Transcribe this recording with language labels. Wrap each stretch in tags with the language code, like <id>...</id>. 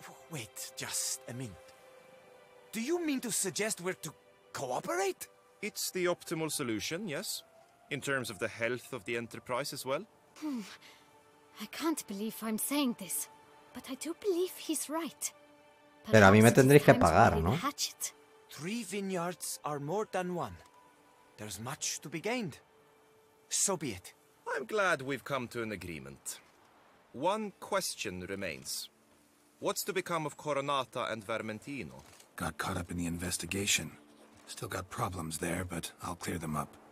<en>Wait just a minute. Do you mean to suggest we're to cooperate? It's the optimal solution, yes. In terms of the health of the enterprise as well. I can't believe I'm saying this, but I do believe he's right.</en> <es>Pero a mí me tendréis que pagar, ¿no?</es> <en>Three vineyards are more than one. There's much to be gained. So be it. I'm glad we've come to an agreement. One question remains. What's to become of Coronata and Vermentino? Got caught up in the investigation. Still got problems there, but I'll clear them up.</en>